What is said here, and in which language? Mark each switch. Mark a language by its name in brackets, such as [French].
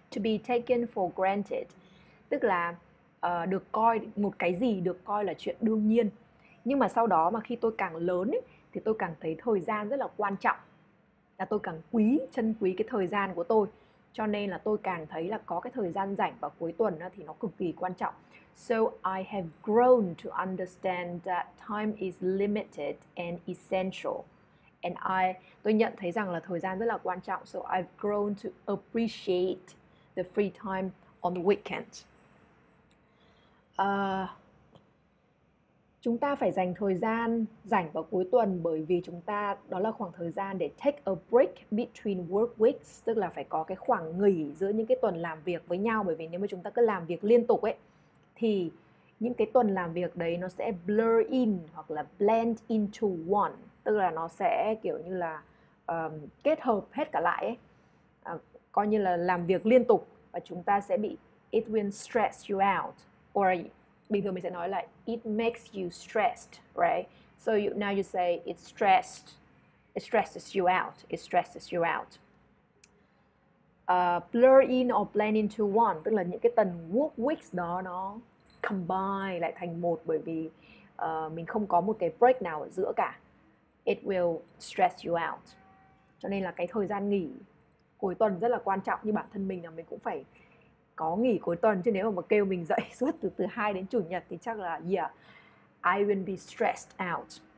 [English] To be taken for granted. [Vietnamese] Tức là được coi một cái gì được coi là chuyện đương nhiên. Nhưng mà sau đó mà khi tôi càng lớn ấy, thì tôi càng thấy thời gian rất là quan trọng, là tôi càng quý, trân quý cái thời gian của tôi. Cho nên là tôi càng thấy là có cái thời gian rảnh vào cuối tuần đó thì nó cực kỳ quan trọng. [English] So I have grown to understand that time is limited and essential. [Vietnamese] Tôi nhận thấy rằng là thời gian rất là quan trọng. [English] So I've grown to appreciate the free time on the weekend. [Vietnamese] Chúng ta phải dành thời gian rảnh vào cuối tuần bởi vì chúng ta đó là khoảng thời gian để [English] take a break between work weeks, [Vietnamese] tức là phải có cái khoảng nghỉ giữa những cái tuần làm việc với nhau, bởi vì nếu mà chúng ta cứ làm việc liên tục ấy thì những cái tuần làm việc đấy nó sẽ [English] blur in [Vietnamese] hoặc là [English] blend into one, [Vietnamese] tức là nó sẽ kiểu như là kết hợp hết cả lại ấy. Coi như là làm việc liên tục và chúng ta sẽ bị [English] it will stress you out, or [Vietnamese] bình thường mình sẽ nói là [English] it makes you stressed, right? So you, now you say it stresses you out, it stresses you out. Blur in or blend into one, [Vietnamese] tức là những cái tuần work weeks đó nó combine lại thành một bởi vì mình không có một cái break nào ở giữa cả. [English] It will stress you out. [Vietnamese] Cho nên là cái thời gian nghỉ cuối tuần rất là quan trọng, như bản thân mình là mình cũng phải có nghỉ cuối tuần, chứ nếu mà kêu mình dậy suốt từ thứ hai đến chủ nhật thì chắc là [English] I will be stressed out.